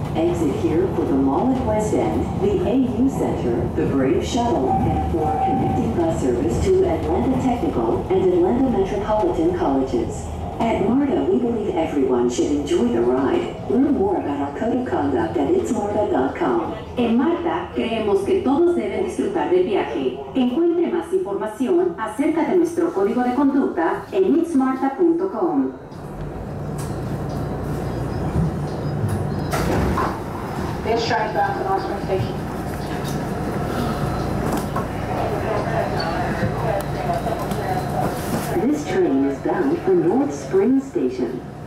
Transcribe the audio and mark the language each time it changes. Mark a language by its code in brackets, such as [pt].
[en] Exit here for the Mall at West End, the AU Center, the Brave Shuttle, and for connecting bus service to Atlanta Technical and Atlanta Metropolitan Colleges. At MARTA, we believe everyone should enjoy the ride. Learn more about our code of conduct at itsmarta.com. [es] En MARTA, creemos que todos deben disfrutar del viaje. Encuentre más información acerca de nuestro código de conducta en itsmarta.com. [en] This train is bound for North Spring Station. This train is bound for North Spring Station.